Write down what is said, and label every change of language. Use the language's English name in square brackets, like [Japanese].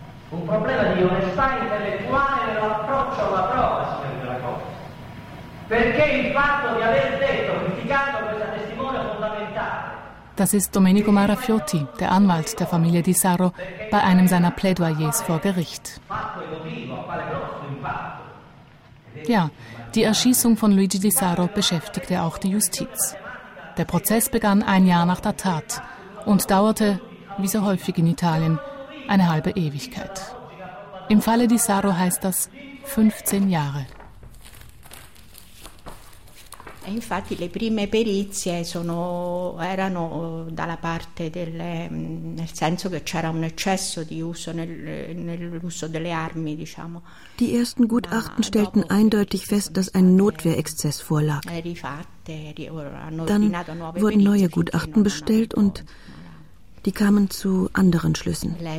[Italian] Un problema di onestà intellettuale nell'approccio alla prova, signori della Corte. Perché il fatto di aver detto, criticando questa testimone fondamentale. [German] Das ist Domenico Marafiotti, der Anwalt der Familie Di Sarro, bei einem seiner Plädoyers vor Gericht. Ja, die Erschießung von Luigi Di Sarro beschäftigte auch die Justiz. Der Prozess begann ein Jahr nach der Tat und dauerte, wie so häufig in Italien, eine halbe Ewigkeit. Im Falle Di Sarro heißt das 15 Jahre. [Italian] Infatti le prime perizie erano dalla parte nel senso che c'era un eccesso di uso nell'uso delle armi, diciamo. [German] Die ersten Gutachten stellten eindeutig fest, dass ein Notwehrexzess vorlag. Dann wurden neue Gutachten bestellt und die kamen zu anderen Schlüssen.